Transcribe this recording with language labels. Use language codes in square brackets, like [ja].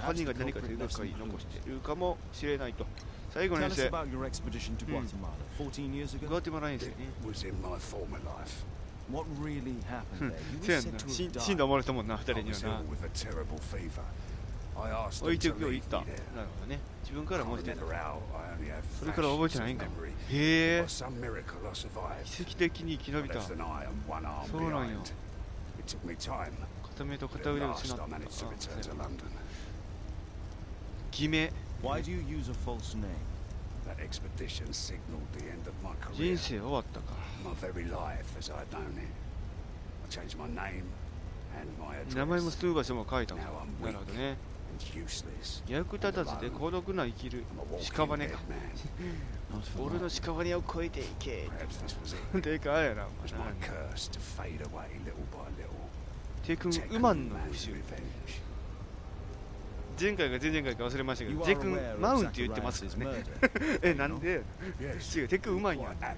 [ja] 犯人が何か手がかり残してるかもしれないと。最後の遠征。 [en] Tell us about your expedition to Guatemala 14 years ago. [ja] Guatemala です [en] ね。It was in my former life. What really happened there? You were sent to die. [ja] 死んだ思われたもんな、二人にはな。 [en] With a terrible fever, I asked him to leave me there. [ja] 自分から申し出た。それから覚えてないんか。へえ。 [en] Some miracle I survived. [ja] 奇跡的に生き延びた。そうなんよ。 [en] It took me time. [ja] 片目と片腕を失った。 [en] I managed to return to London. [ja] 偽名。 [en] Why do you use a false name? That expedition signaled the end of my career. [ja] 人生終わったか。 [en] My very life as I'd known it. I changed my name and my address. [ja] 名前も住む場所も変えたもん。なるほどね。役立たずで孤独な生きる屍か。俺の屍を越えていけ。でかいやな。 [en] It was my curse to fade away little by little. [ja] テクン・ウマンの復讐。前回か前々回か忘れましたけど、ジェクン・マウンって言ってますね。え、なんで？違う、テクン・ウマンや。